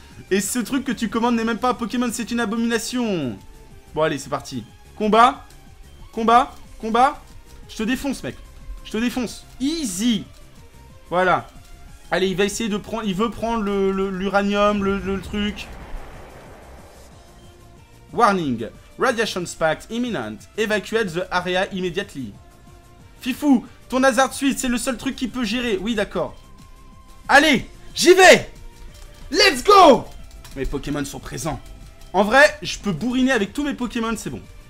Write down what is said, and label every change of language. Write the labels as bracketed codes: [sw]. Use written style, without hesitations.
[fr] Et ce truc que tu commandes n'est même pas un Pokémon, c'est une abomination. Bon allez, c'est parti. Combat, combat, combat. Je te défonce, mec. Je te défonce. Easy. Voilà. Allez, il va essayer de prendre. Il veut prendre l'uranium, le truc. [en] Warning. Radiation spike imminent. Evacuate the area immediately. [fr] Fifou, ton hazard suite, c'est le seul truc qu'il peut gérer. Oui, d'accord. Allez, j'y vais. [en] Let's go. [fr] Mes Pokémon sont présents. En vrai, je peux bourriner avec tous mes Pokémon, c'est bon.